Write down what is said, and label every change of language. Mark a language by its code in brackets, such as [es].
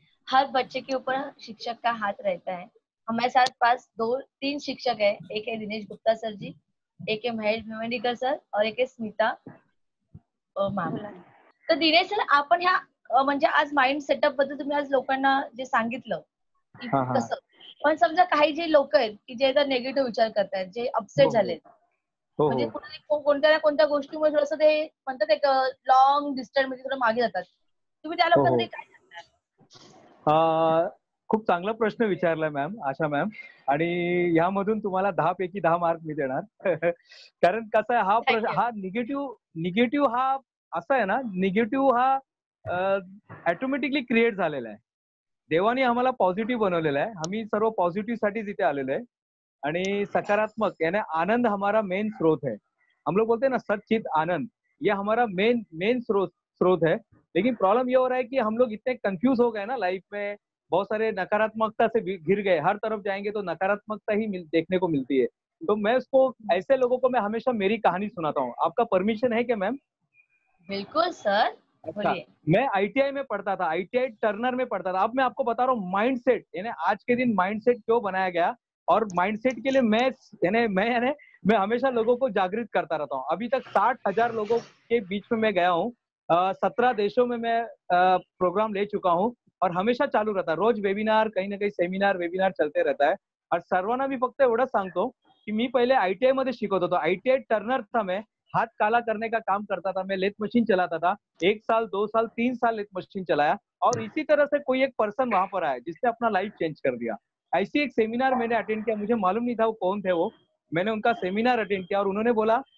[hi] हर बच्चे के ऊपर शिक्षक का हाथ रहता है. हमारे साथ पास 2-3 शिक्षक है. एक है दिनेश गुप्ता सर जी, एक है महेश भिवंडीकर सर और एक है स्मिता मॅम. [mr] तर दिनेश सर आपण ह्या म्हणजे आज माइंड सेटअप बद्दल तुम्ही आज लोकांना जे सांगितलं तसं, पण समजा काही जे लोक आहेत की जे आता नेगेटिव्ह विचार करतात, जे अपसेट झालेत, म्हणजे कोणत्या ना कोणत्या गोष्टीमुळे थोडस ते म्हणतात एक लॉंग डिस्टन्स म्हणजे थोडं मागे जातात, तुम्ही त्या लोकांना काय सांगणार? खूप चांगला प्रश्न विचारलाय मॅम, आशा मॅम, आणि ह्यामधून तुम्हाला 10 पैकी 10 मार्क मी देणार. कारण कसं आहे, हा प्रश्न हा निगेटिव्ह हा असा आहे ना, निगेटिव्ह हा ऑटोमॅटिकली क्रिएट झालेला आहे. देवानी आम्हाला पॉझिटिव्ह बनवलेला आहे, आम्ही सर्व पॉझिटिव्ह साठी इथे आलेलो आहे. [hi] आणि सकारात्मक याने आनंद हमारा मेन स्रोत है. हम लोग बोलते ना सत चित आनंद, ये हमारा मेन स्रोत है. लेकिन प्रॉब्लम ये हो रहा है कि हम लोग इतने कंफ्यूज हो गए ना लाइफ में, बहुत सारे नकारात्मकता से घिर गए. हर तरफ जाएंगे तो नकारात्मकता ही देखने को मिलती है. तो मैं उसको ऐसे लोगों को मैं हमेशा मेरी कहानी सुनाता हूँ. आपका परमिशन है क्या मैम? बिल्कुल सर. अच्छा, मैं ITI में पढ़ता था, ITI टर्नर में पढ़ता था. अब मैं आपको बता रहा हूँ माइंड सेट, यानी आज के दिन माइंड सेट क्यों बनाया गया. और माइंड सेट के लिए मैं हमेशा लोगों को जागृत करता रहता हूँ. अभी तक 60,000 लोगों के बीच में मैं गया हूँ. 17 देशों में मैं प्रोग्राम ले चुका हूँ और हमेशा चालू रहता है. रोज वेबिनार, कहीं ना कहीं सेमिनार चलते रहता है. [mr] और सर्वाना भी फक्त एवढं सांगतो की मी पहिले ITI मध्ये शिकत होतो. [hi] ITI टर्नर था मैं. हाथ काला करने का काम करता था मैं. लेथ मशीन चलाता था 1 साल 2 साल 3 साल लेथ मशीन चलाया. और इसी तरह से कोई एक पर्सन वहां पर आया जिसने अपना लाइफ चेंज कर दिया. ऐसी एक सेमिनार मैंने अटेंड किया, मुझे मालूम नहीं था वो कौन थे. वो मैंने उनका सेमिनार अटेंड किया और उन्होंने बोला